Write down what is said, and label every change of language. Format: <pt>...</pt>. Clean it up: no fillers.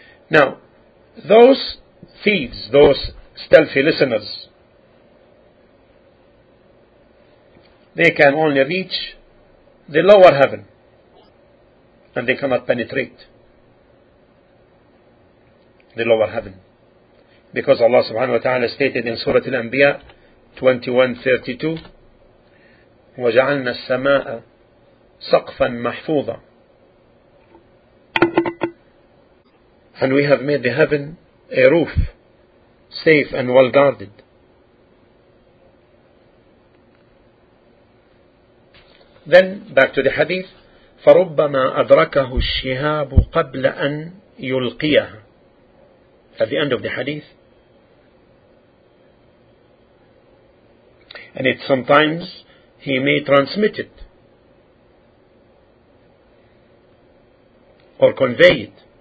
<en>Now, those thieves, those stealthy listeners, they can only reach the lower heaven, and they cannot penetrate the lower heaven, because Allah subhanahu wa ta'ala stated in Surah Al-Anbiya 21:32,</en> <ar>وَجَعَلْنَا السَّمَاءَ سَقْفًا مَحْفُوظًا,</ar> <en>and we have made the heaven a roof, safe and well guarded. Then back to the hadith,</en> <ar>فَرُبَّمَا أَدْرَكَهُ الشِّهَابُ قَبْلَ أَنْ يُلْقِيَهُ.</ar> <en>At the end of the hadith, and it sometimes he may transmit it or convey it.</en>